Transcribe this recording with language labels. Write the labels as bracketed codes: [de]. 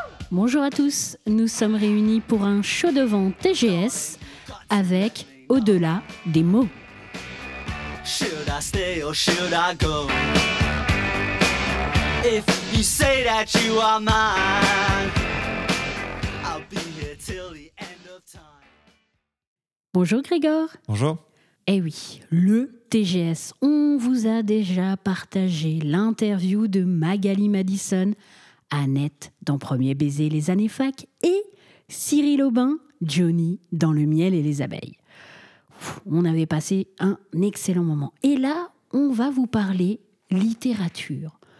[fr] Bonjour à tous, nous sommes réunis pour un show devant TGS avec Au-delà des mots. [en] Should I stay or should I go? If you say that you are mine, I'll be here till the end of time. [fr] Bonjour Grégor. Bonjour. Eh oui, le TGS. On vous a déjà partagé l'interview de Magali Madison, Annette dans Premier baiser les années fac et Cyril Aubin, Johnny dans Le miel et les abeilles. On avait passé un excellent moment. Et là, on va vous parler littérature.